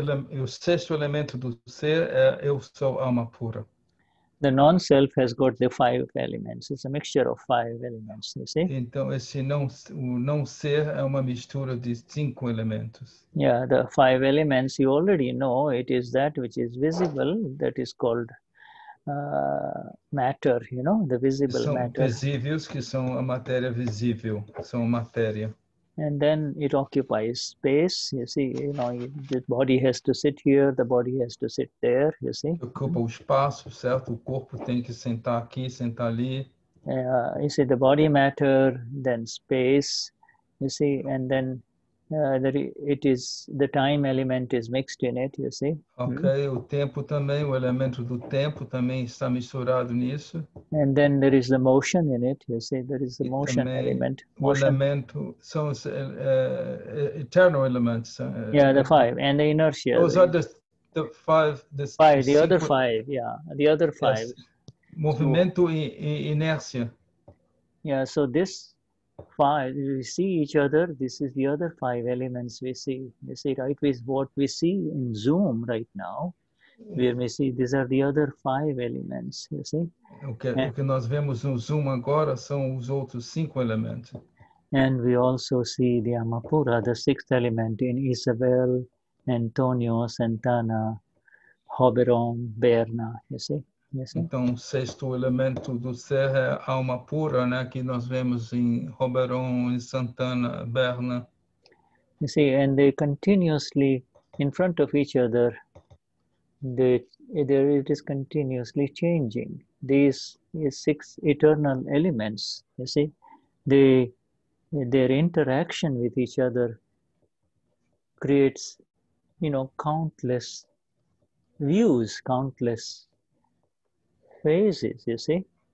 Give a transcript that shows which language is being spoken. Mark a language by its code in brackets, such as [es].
[pt] E o sexto elemento do ser é eu sou alma pura. [en] The non-self has got the five elements. It's a mixture of five elements, you see? [pt] Então, esse não ser é uma mistura de cinco elementos. [en] Yeah, the five elements, you already know, it is that which is visible, that is called matter, you know, the visible matter. [pt] São visíveis, que são a matéria visível, são a matéria. [en] And then it occupies space, you see, you know, the body has to sit here, the body has to sit there, you see. [pt] Ocupa o espaço, certo? O corpo tem que sentar aqui, sentar ali. [en] You see, the body matter, then space, you see, and then it is, the time element is mixed in it, you see. [pt] Okay, o tempo também, o elemento do tempo também está misturado nisso. [en] And then there is the motion in it, you see, there is the motion element. Motion. [pt] O elemento, são os [en] eternal elements. The five, and the inertia. Those are the five. The other five. [pt] Yes. Movimento e inércia. [en] Yeah, so this five, we see each other, this is the other five elements we see. You see, right, with what we see in Zoom right now, where we see, these are the other five elements, you see. [pt] O que nós vemos no Zoom agora são os outros cinco elementos. [en] And we also see the Amapura, the sixth element, in Isabel, Antonio, Santana, Hoberon, Berna, you see. [pt] Então, o sexto elemento do ser é alma pura, né? Que nós vemos em Roberon, em Santana, Berna. [en] You see, and they continuously, in front of each other, it is continuously changing. These six eternal elements, you see, their interaction with each other creates, you know, countless views, countless phases, you see?